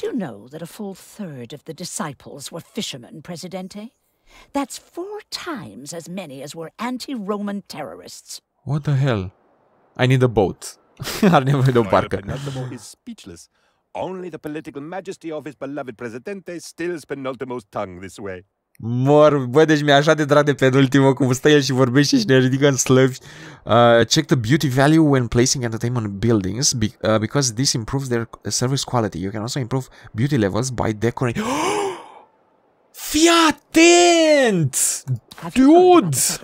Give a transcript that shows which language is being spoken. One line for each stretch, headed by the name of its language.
English: Did you know that a full third of the disciples were fishermen, Presidente? That's four times as many as were anti-Roman terrorists. What the hell? I need a boat. Are nevoie de o barcă. Penultimo is speechless. Only the political majesty of his beloved presidente stills penultimo's tongue this way.
Romanian: Mor, bă, deci mi-e așa de drag de penultimo cum stă el și vorbește și ne ridică în slăvi.
English: Check the beauty value when placing entertainment buildings because this improves their service quality. You can also improve beauty levels by decorating. Fii atent! Dude!